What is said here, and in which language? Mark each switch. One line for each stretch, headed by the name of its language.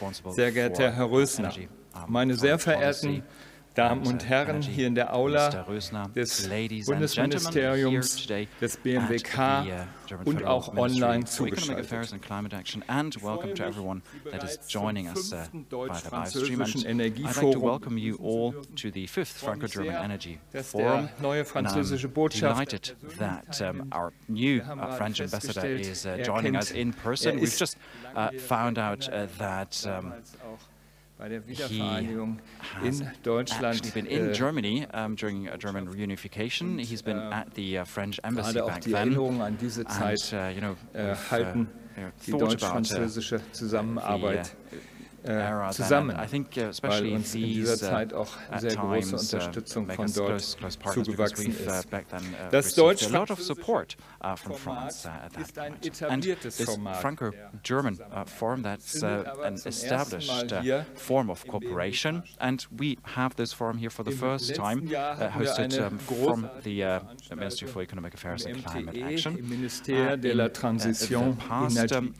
German: Sehr geehrter Herr Rösner, meine sehr verehrten Damen und Herren hier in der Aula des Bundesministeriums, des BMWK und auch online zugeschaltet. Ich freue mich, Sie bereits zum 5. Deutsch-Französischen Energieforum zu begrüßen. Ich freue mich, dass der neue französische Botschafter
English: Our new French Ambassador is joining us in person. We've just found out that
German: bei der Wiedervereinigung in Deutschland.
English: He's been in Germany during a German reunification. He's been at the French embassy back then.
German: Die Erinnerung an diese Zeit halten die deutsch-französische Zusammenarbeit zusammen.
English: I think especially
German: in dieser Zeit auch sehr große Unterstützung von dort zugewachsen ist. Das deutsch-französische Format ist ein etabliertes Format.
English: Das Franco-German Forum, that's an established form of cooperation, and we have this forum here for the first time, hosted from the Ministry for Economic Affairs and Climate Action.
German: Im Ministère de la Transition Energie,